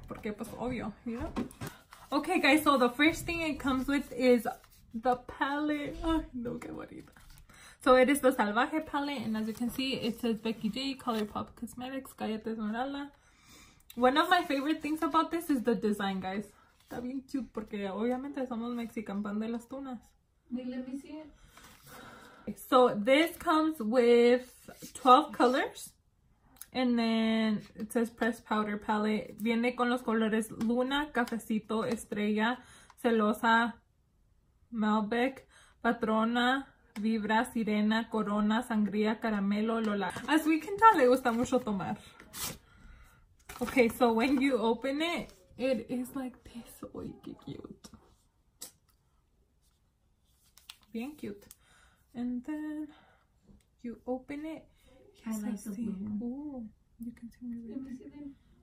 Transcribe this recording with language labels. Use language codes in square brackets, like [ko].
[es] Porque pues obvio, [en] you know? Okay guys, so the first thing it comes with is the palette. [es] Ay, no, que bonita. [en] So it is the Salvaje palette, and as you can see, it says Becky G, Colourpop Cosmetics, Galleta Esmeralda. One of my favorite things about this is the design, guys. [es] Está bien cute, porque obviamente somos Mexican pan de las tunas. [en] Let me see it. So this comes with 12 colors. And then it says pressed powder palette. [es] Viene con los colores Luna, Cafecito, Estrella, Celosa, Malbec, Patrona, Vibra, Sirena, Corona, Sangría, Caramelo, Lola. [en] As we can tell, [es] le gusta mucho tomar. [en] Okay, so when you open it, it is like this. [es] Oy, qué cute. Bien cute. [en] And then you open it. Yes, I like the blue. Ooh, you can see my room.